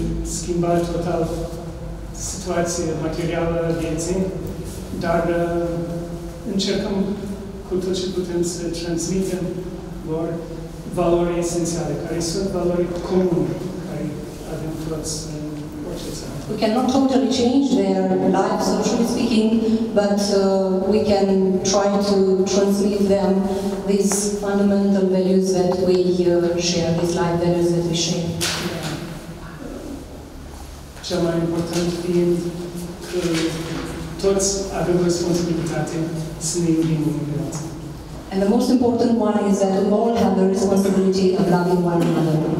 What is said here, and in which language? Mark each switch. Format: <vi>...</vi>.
<ro>Schimba total situația materială a vieții, dar încercăm cu tot ce putem să transmitem lor valori esențiale, care sunt valori comune care avem toți în orice țară.</ro> <en>We cannot totally change their life, socially speaking, but we can try to transmit them these fundamental values that we share, these life values that we share.</en> <ro>Cel mai important fiind că toți avem responsabilitate să ne iubim unii pe alții.</ro> <en>And the most important one is that we all have the responsibility of loving one another.</en>